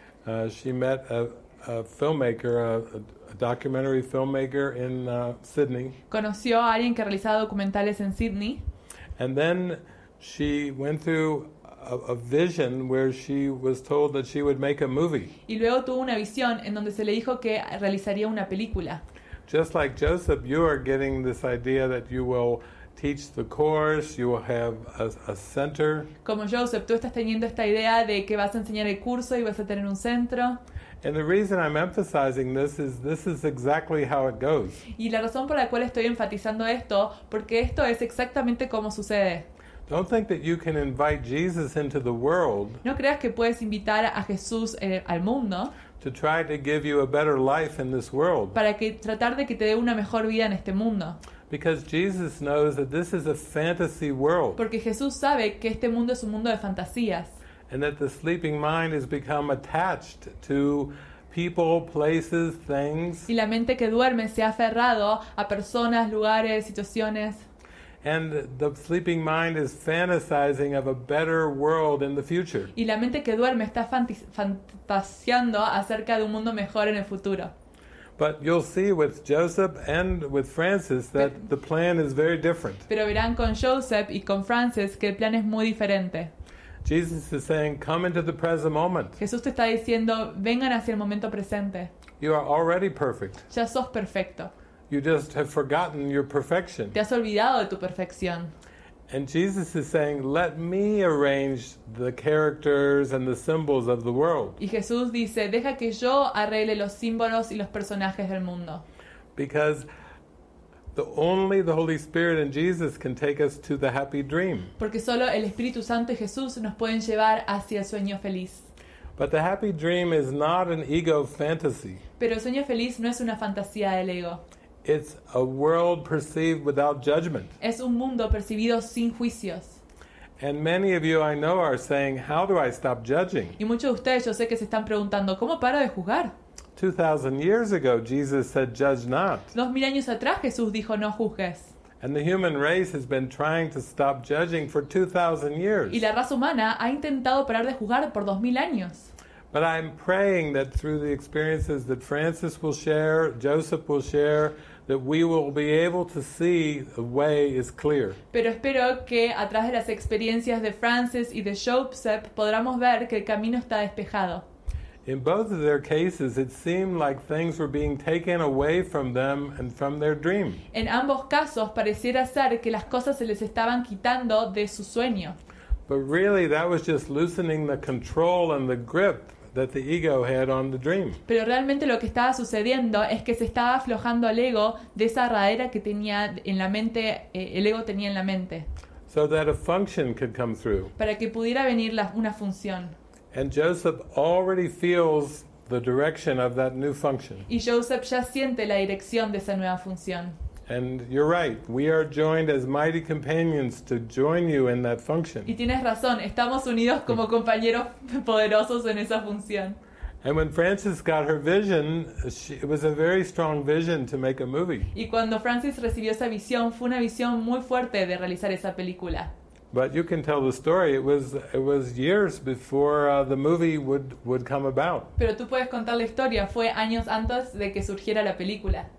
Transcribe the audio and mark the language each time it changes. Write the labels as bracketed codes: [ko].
[en] She met a filmmaker, a documentary filmmaker in Sydney. [es] Conoció a alguien que realizaba documentales en Sydney. [en] And then she went through a vision where she was told that she would make a movie. [es] Y luego tuvo una visión en donde se le dijo que realizaría una película. [en] Just like Joseph, you are getting this idea that you will teach the course, you will have a center. [es] Como Joseph, tú estás teniendo esta idea de que vas a enseñar el curso y vas a tener un centro. [en] And the reason I'm emphasizing this is exactly how it goes. [es] Y la razón por la cual estoy enfatizando esto, porque esto es exactamente como sucede. [en] Don't think that you can invite Jesus into the world. [es] No creas que puedes invitar a Jesús al mundo. [en] To try to give you a better life in this world. [es] Para que tratar de que te dé una mejor vida en este mundo. [en] Because Jesus knows that this is a fantasy world. [es] Porque Jesús sabe que este mundo es un mundo de fantasías. [en] And that the sleeping mind has become attached to people, places, things. [es] Y la mente que duerme se ha aferrado a personas, lugares, situaciones. [en] And the sleeping mind is fantasizing of a better world in the future. [es] Y la mente que duerme está fantaseando acerca de un mundo mejor en el futuro. [en] But you'll see with Joseph and with Francis that the plan is very different. [es] Pero verán con Joseph y con Francis que el plan es muy diferente. [en] Jesus is saying, "Come into the present moment." [es] Jesús te está diciendo, vengan hacia el momento presente. [en] You are already perfect. [es] Ya sos perfecto. [en] You just have forgotten your perfection. [es] Te has olvidado de tu perfección. [en] And Jesus is saying, "Let me arrange the characters and the symbols of the world." [es] Y Jesús dice, deja que yo arregle los símbolos y los personajes del mundo. [en] Because only the Holy Spirit and Jesus can take us to the happy dream. [es] Porque solo el Espíritu Santo y Jesús nos pueden llevar hacia el sueño feliz. [en] But the happy dream is not an ego fantasy. [es] Pero el sueño feliz no es una fantasía del ego. [en] It's a world perceived without judgment. [es] Es un mundo percibido sin juicios. [en] And many of you I know are saying, "How do I stop judging?" [es] Y muchos de ustedes yo sé que se están preguntando, ¿cómo paro de juzgar? [en] 2,000 years ago, Jesus said, "Judge not." [es] 2,000 años atrás, Jesús dijo, "No juzgues." [en] And the human race has been trying to stop judging for 2,000 years. [es] Y la raza humana ha intentado parar de juzgar por 2,000 años. [en] But I'm praying that through the experiences that Francis will share, Joseph will share, that we will be able to see the way is clear. [es] Pero espero que a través de las experiencias de Francis y de Joseph podamos ver que el camino está despejado. [en] In both of their cases, it seemed like things were being taken away from them and from their dream. [es] En ambos casos, pareciera ser que las cosas se les estaban quitando de su sueño. [en] But really, that was just loosening the control and the grip that the ego had on the dream. [es] Pero realmente lo que estaba sucediendo es que se estaba aflojando al ego de esa herradura que tenía en la mente, el ego tenía en la mente. [en] So that a function could come through. [es] Para que pudiera venir una función. [en] And Joseph already feels the direction of that new function. [es] Y Joseph ya siente la dirección de esa nueva función. [en] And you're right. We are joined as mighty companions to join you in that function. [es] Y tienes razón. Estamos unidos como compañeros poderosos en esa función. [en] And when Frances got her vision, it was a very strong vision to make a movie. [es] Y cuando Frances recibió esa visión, fue una visión muy fuerte de realizar esa película. [en] But you can tell the story. It was years before the movie would come about. [es] Pero tú puedes contar la historia. Fue años antes de que surgiera la película.